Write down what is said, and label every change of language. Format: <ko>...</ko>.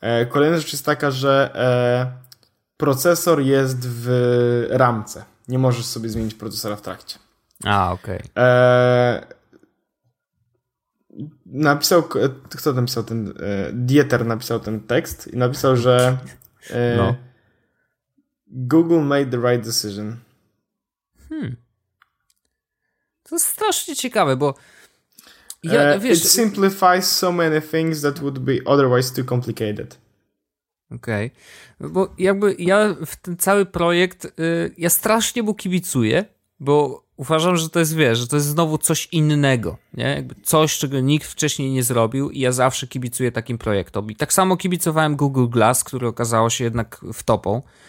<pl>Kolejna rzecz jest taka, że procesor jest w ramce. Nie możesz sobie zmienić procesora w trakcie. A, okej.</pl> <en>Okay.</en> <pl>Napisał, kto napisał ten... Dieter napisał ten tekst i napisał, że...</pl> <en>Google made the right decision.</en> <pl>To jest strasznie ciekawe, bo... Ja, wiesz...</pl> <en>It simplifies so many things that would be otherwise too complicated.</en> <pl>Okej. Okay. Bo jakby ja w ten cały projekt, ja strasznie mu kibicuję, bo uważam, że to jest, wiesz, że to jest znowu coś innego, nie? Jakby coś, czego nikt wcześniej nie zrobił i ja zawsze kibicuję takim projektom. I tak samo kibicowałem Google Glass, który okazało się jednak wtopą.</pl>